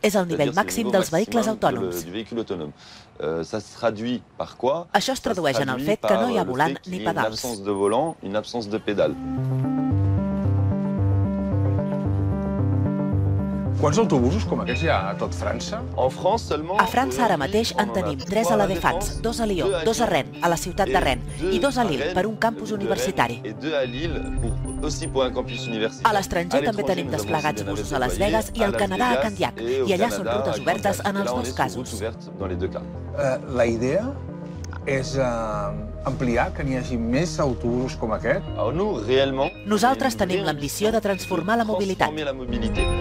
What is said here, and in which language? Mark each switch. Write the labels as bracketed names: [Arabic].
[Catalan] És el nivell màxim dels vehicles autònoms. [French] Ça se traduit par quoi? [Catalan] Això es tradueix en el fet que no hi ha volant ni pedals. [French] Une absence de volant, une absence de pédale. [Catalan] Quants autobusos com aquests hi ha a tot França? [French] En France seulement. [Catalan] A França ara mateix en tenim 3 a la Défense, 2 a Lyon, 2 a Rennes, a la ciutat de Rennes, i 2 a Lille per un campus universitari. [French] Et 2 à Lille pour aussi pour un campus universitaire. [Catalan] A l'estranger també tenim desplegats busos a Las Vegas i al Canadà a Candiac, i allà són rutes obertes en els dos casos. La idea és ampliar, que n'hi hagi més autobusos com aquest? Nosaltres tenim l'ambició de transformar la mobilitat.